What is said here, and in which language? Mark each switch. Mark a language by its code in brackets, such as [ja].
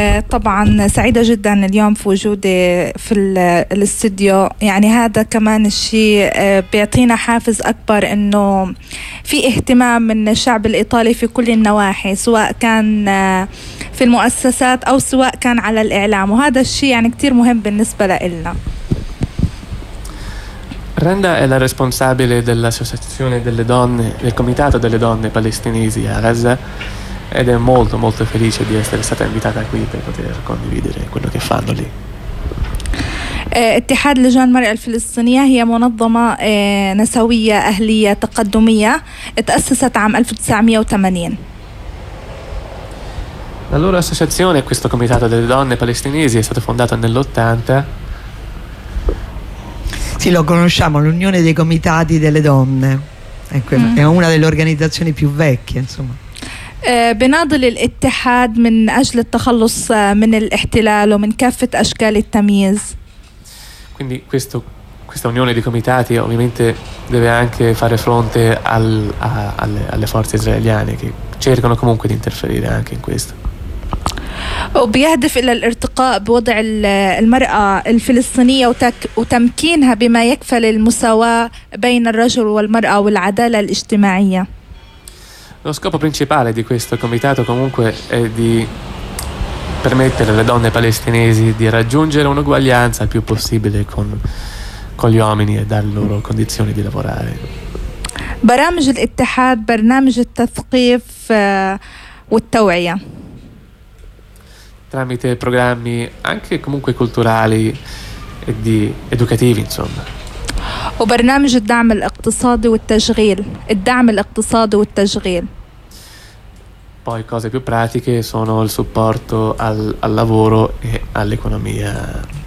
[ar] طبعا سعيدة جدا اليوم في وجودي في الاستوديو، يعني هذا كمان الشيء بيعطينا حافز أكبر إنه في اهتمام من الشعب الإيطالي في كل النواحي، سواء كان في المؤسسات أو سواء كان على الإعلام، وهذا الشيء يعني كتير مهم بالنسبة لنا. [it] Randa è la responsabile dell'associazione delle donne, del comitato delle donne palestinesi a Gaza, ed è molto molto felice di essere stata invitata qui per poter condividere quello che fanno lì. [ar] اتحاد لجان المرأة الفلسطينية هي منظمة نسوية أهلية تقدمية تأسست عام 1980. [it] La loro associazione, questo comitato delle donne palestinesi, è stato fondato nell'80. Sì, lo conosciamo, l'Unione dei Comitati delle Donne. È una delle organizzazioni più vecchie, insomma. [ar] بناضل الاتحاد من أجل التخلص من الاحتلال ومن كافة أشكال التمييز. [it] Quindi questo, questa Unione dei Comitati ovviamente deve anche fare fronte al, a, alle, alle forze israeliane che cercano comunque di interferire anche in questo. [ar] وبيهدف إلى الارتقاء بوضع المرأة الفلسطينية وتمكينها بما يكفل المساواة بين الرجل والمرأة والعدالة الاجتماعية. [it] Lo scopo principale di questo comitato comunque è di permettere alle donne palestinesi di raggiungere un'uguaglianza il più possibile con gli uomini e dar loro condizioni di lavorare. [ar] برامج الاتحاد برنامج التثقيف والتوعية. [it] Tramite programmi anche comunque culturali e di educativi, insomma. [ar] وبرنامج الدعم الاقتصادي والتشغيل، الدعم الاقتصادي والتشغيل. [it] Poi cose più pratiche sono il supporto al, al lavoro e all'economia.